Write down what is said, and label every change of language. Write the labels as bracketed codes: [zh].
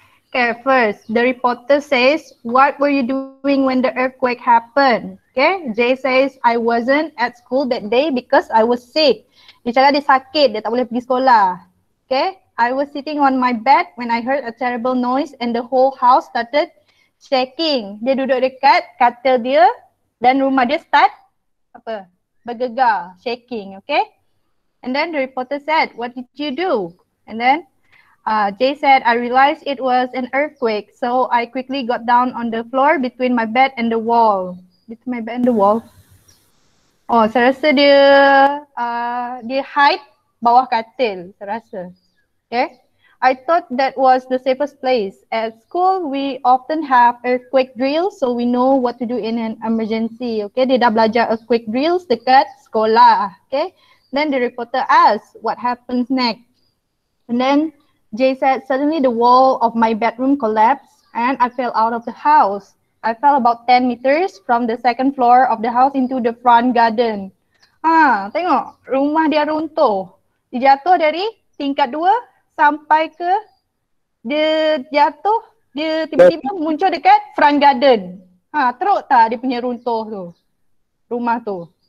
[en] Okay, first, the reporter says, what were you doing when the earthquake happened? Okay, Jay says, I wasn't at school that day because I was sick. [ms] Dia cakap dia sakit, dia tak boleh pergi sekolah. [en] Okay. I was sitting on my bed when I heard a terrible noise and the whole house started shaking. [ms] Dia duduk dekat katil dia dan rumah dia start apa? Bergegar, shaking, okay? [en] And then the reporter said, what did you do? And then Jay said, I realized it was an earthquake, so I quickly got down on the floor between my bed and the wall. Between my bed and the wall. Oh, [ms] saya rasa dia dia hide bawah katil, saya rasa. [en] Okay. I thought that was the safest place. At school, we often have earthquake drills so we know what to do in an emergency. Okay, [ms] dia dah belajar earthquake drills dekat sekolah. [en] Okay, then the reporter asked, what happens next? And then Jay said, suddenly the wall of my bedroom collapsed and I fell out of the house. I fell about 10 meters from the second floor of the house into the front garden. [ms] Ah, tengok, rumah dia runtuh. Dia jatuh dari tingkat dua. Sampai ke dia jatuh, dia tiba-tiba muncul dekat front garden. Ha, teruk tak dia punya runtuh tu, rumah tu.